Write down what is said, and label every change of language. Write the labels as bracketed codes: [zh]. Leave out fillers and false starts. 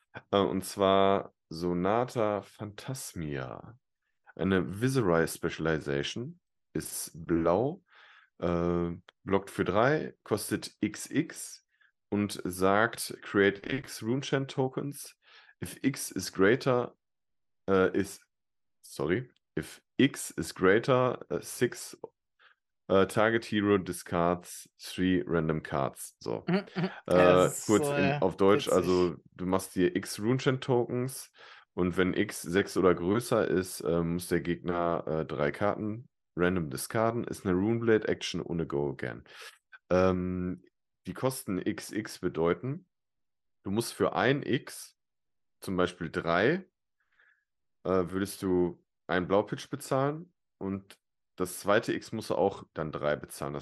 [de] Und zwar Sonata Phantasmia. Eine Viserys Specialization. Ist blau. Blockt für 3, kostet XX und sagt: [en] Create X Runechant Tokens. If X is greater. If X is greater, 6 Target Hero discards 3 random cards. [de] So. Ja, kurz so, auf Deutsch, witzig. Also du machst dir X Runechant Tokens und wenn X 6 oder größer ist, muss der Gegner 3 Karten random discarden. Ist eine Runeblade Action ohne Go Again. Die Kosten XX bedeuten, du musst für ein X, zum Beispiel 3, würdest du einen Blaupitch bezahlen und das zweite X musst du auch dann 3 bezahlen.